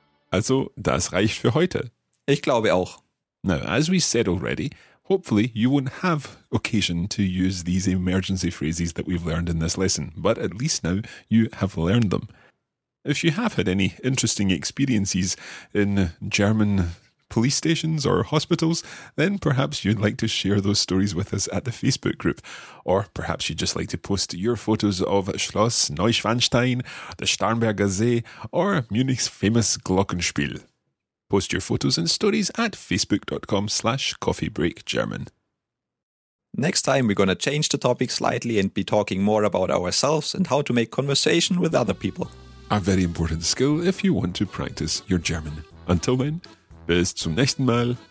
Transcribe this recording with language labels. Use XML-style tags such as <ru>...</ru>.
<de>Also, das reicht für heute. Ich glaube auch.</de> <en>Now, as we said already, hopefully you won't have occasion to use these emergency phrases that we've learned in this lesson, but at least now you have learned them. If you have had any interesting experiences in German police stations or hospitals, then perhaps you'd like to share those stories with us at the Facebook group. Or perhaps you'd just like to post your photos of Schloss Neuschwanstein, the Starnberger See, or Munich's famous Glockenspiel. Post your photos and stories at facebook.com/coffeebreakgerman. Next time we're going to change the topic slightly and be talking more about ourselves and how to make conversation with other people. A very important skill if you want to practice your German. Until then,</en> <de>bis zum nächsten Mal.</de>